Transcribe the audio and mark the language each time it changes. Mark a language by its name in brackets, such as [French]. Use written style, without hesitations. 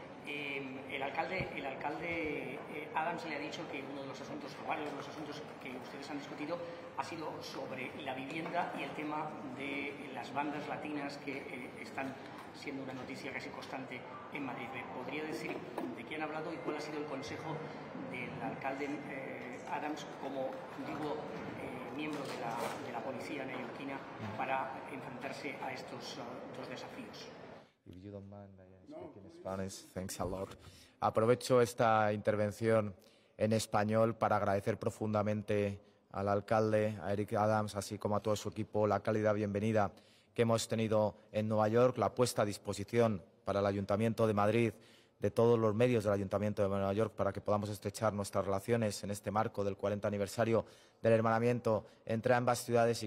[Spanish] El alcalde Adams le ha dicho que uno de los asuntos, o varios de los asuntos que ustedes han discutido, ha sido sobre la vivienda y el tema de las bandas latinas que están siendo una noticia casi constante en Madrid. ¿Me podría decir de qué han hablado y cuál ha sido el consejo del alcalde Adams, como digo, miembro de la policía neoyorquina, para enfrentarse a estos dos desafíos? [English] If you don't mind, I speak in Spanish. Thanks a lot. [Spanish] Aprovecho esta intervención en español para agradecer profundamente al alcalde, a Eric Adams, así como a todo su equipo, la cálida bienvenida que hemos tenido en Nueva York, la puesta a disposición para el Ayuntamiento de Madrid, de todos los medios del Ayuntamiento de Nueva York, para que podamos estrechar nuestras relaciones en este marco del 40 aniversario del hermanamiento entre ambas ciudades.